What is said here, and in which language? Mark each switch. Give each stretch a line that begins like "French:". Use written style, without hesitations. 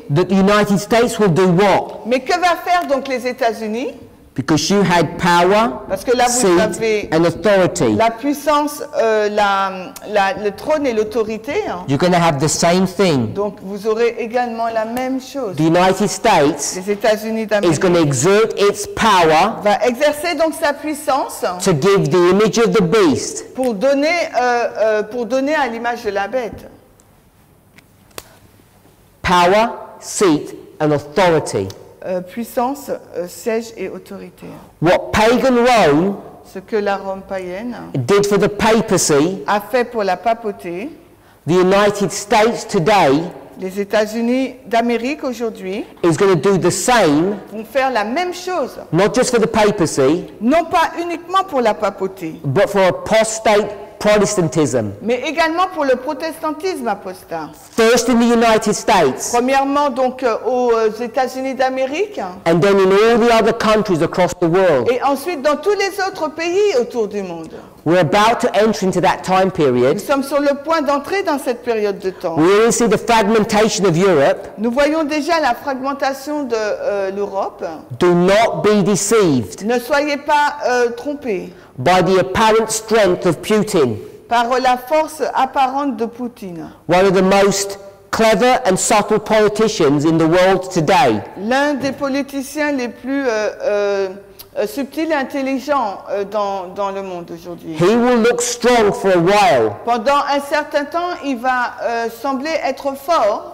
English: That the United States will do what?
French: Mais que va faire donc les États-Unis?
English: Because you had power,
French: parce que là vous
English: seat,
French: avez
English: and authority.
French: La puissance, le trône et l'autorité. Hein.
English: You're going to have the same thing.
French: Donc vous aurez également la même chose.
English: The United States,
French: les États-Unis d'Amérique,
English: is going to exert its power.
French: Va exercer donc sa puissance.
English: To give the image of the beast.
French: Pour donner à l'image de la bête.
English: Power, seat, and authority.
French: Puissance, siège et autorité.
English: What pagan Rome?
French: Ce que la Rome païenne.
English: Did for the papacy.
French: A fait pour la papauté.
English: The United States today.
French: Les États-Unis d'Amérique aujourd'hui.
English: Is going to do the same.
French: Vont faire la même chose.
English: Not just for the papacy.
French: Non pas uniquement pour la papauté.
English: But for apostate. Protestantism.
French: Mais également pour le protestantisme apostat.
English: First in the United States.
French: Premièrement donc aux États-Unis d'Amérique.
English: And then in all the other countries across the world.
French: Et ensuite dans tous les autres pays autour du monde.
English: We're about to enter into that time period.
French: Nous sommes sur le point d'entrer dans cette période de temps.
English: We already see the fragmentation of Europe.
French: Nous voyons déjà la fragmentation de l'Europe.
English: Do not be deceived.
French: Ne soyez pas trompés.
English: By the apparent strength of Putin.
French: Par la force apparente de Poutine.
English: One of the most clever and subtle politicians in the world today.
French: L'un des politiciens les plus subtil et intelligent dans le monde aujourd'hui.
English: He will look strong for a while.
French: Pendant un certain temps, il va sembler être fort.